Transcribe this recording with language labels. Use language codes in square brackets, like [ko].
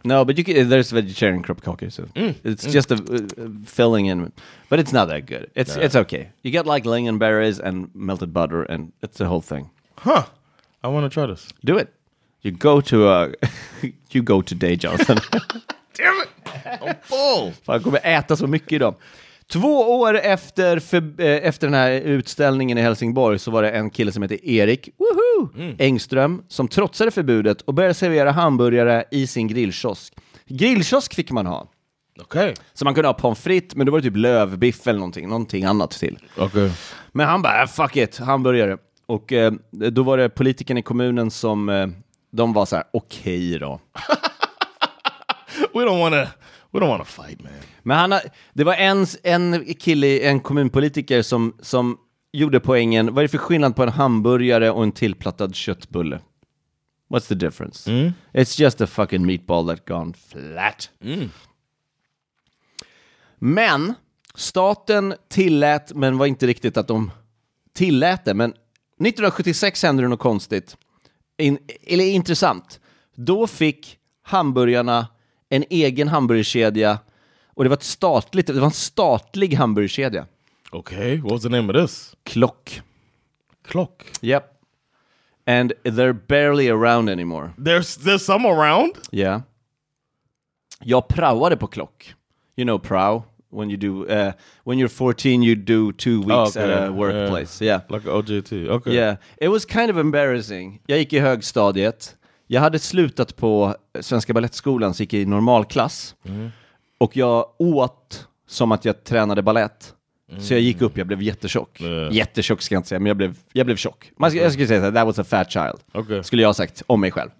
[en] No, but you can, there's vegetarian kroppkaka, so it's just a filling in. But it's not that good. It's okay. You get like lingonberries and melted butter, and it's the whole thing. Huh. I want to try this. Do it. You go to you go today, Jonathan. Damn it! I'm full. [sv] Fan, kommer äta så mycket idag. Två år efter den här utställningen i Helsingborg så var det en kille som heter Erik Engström som trotsade förbudet och började servera hamburgare i sin grillkiosk. Grillkiosk fick man ha. Okej. [en] Okay. [sv] Så man kunde ha pommes frites, men då var det typ lövbiff eller någonting annat till. Okej. [en] Okay. [sv] Men han bara, [en] fuck it, [sv] hamburgare. Och då var det politikern i kommunen som... De var så här, okej då. [en] We don't wanna fight, man. [sv] Men det var en kille, en kommunpolitiker som gjorde poängen. Vad är det för skillnad på en hamburgare och en tillplattad köttbulle? [en] What's the difference? Mm. It's just a fucking meatball that gone flat. Mm. [sv] Men staten tillät, men var inte riktigt att de tillät det. Men 1976 hände det något konstigt. Eller intressant. Då fick hamburgarna en egen hamburgerkedja. Och det var ett statligt, det var en statlig hamburgerkedja. Okej, [en] okay, what's the name of this? Klock. Yep. And they're barely around anymore. There's some around? [sv] Yeah. Jag praoade på Klock. [en] You know prao. When you do, when you're 14, you do 2 weeks at a workplace. Yeah. Like OJT. Okay. Yeah. It was kind of embarrassing. [sv] Jag gick i högstadiet. Jag hade slutat på Svenska Ballettskolan, så gick i normalklass. Mm. Och jag åt som att jag tränade ballett. Mm. Så jag gick upp, jag blev jättetjock. [en] Yeah. [sv] Jättetjock ska jag inte säga, men jag blev tjock. [en] Man, okay. [sv] Jag skulle säga, [en] that was a fat child. Okay. [sv] Skulle jag ha sagt om mig själv.